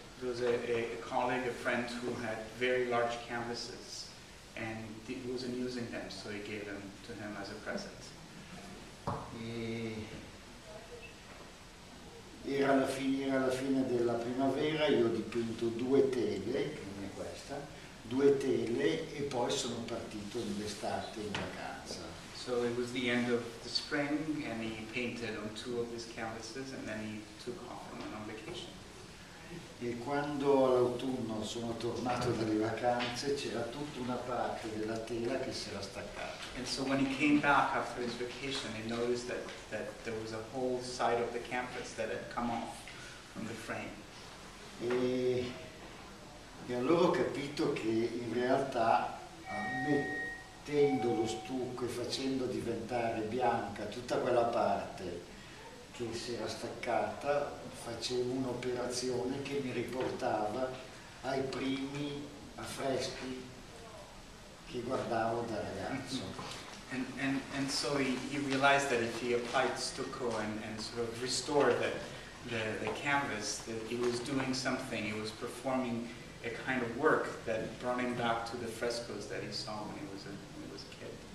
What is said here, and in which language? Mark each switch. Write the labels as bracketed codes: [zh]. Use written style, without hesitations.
[en] It was a colleague, a friend who had very large canvases and he wasn't using them, so he gave them to him as a present. [it] Era la fine della primavera, io ho dipinto due tele, come questa, due tele e poi sono partito in estate in vacanza. [en] So it was the end of the spring and he painted on two of his canvases and then he took off on vacation. [it] E quando all'autunno sono tornato dalle vacanze c'era tutta una parte della tela che si era staccata. [en] And so when he came back after his vacation he noticed that there was a whole side of the canvas that had come off from the frame. [it] E allora ho capito che in realtà mettendo lo stucco e facendo diventare bianca tutta quella parte che si era staccata, facevo un'operazione che mi riportava ai primi affreschi che guardavo da ragazzo. [en] And so he realized that if he applied stucco and sort of restored the canvas, that he was doing something, he was performing a kind of work that brought him back to the frescoes that he saw when he was a kid.